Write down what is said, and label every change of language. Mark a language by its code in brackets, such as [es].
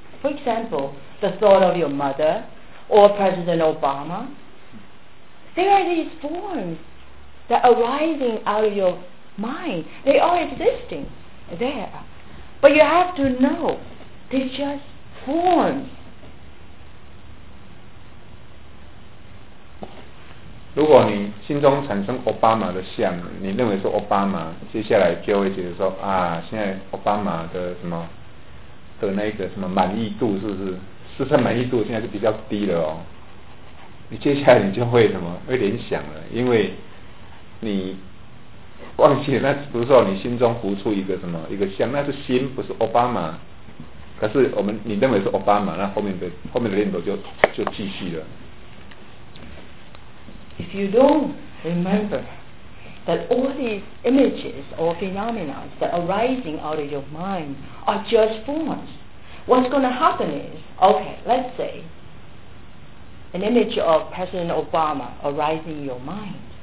[en] For example, the thought of your mother or President Obama. There are these forms that are arising out of your mind. They are existing there. But you have to know they're just forms. [zh] 如果你心中产生奥巴马的像，你认为是奥巴马，接下来就会觉得说啊，现在奥巴马的什么的那个什么满意度是不是市场满意度现在是比较低了哦？你接下来你就会什么会联想了，因为你忘记了，那不是说你心中浮出一个什么一个像，那是心，不是奥巴马。可是我们你认为是奥巴马，那后面的念头就继续了。 [en] If you don't remember that all these images or phenomena that are arising out of your mind are just forms, what's going to happen is, okay, let's say an image of President Obama arising in your mind.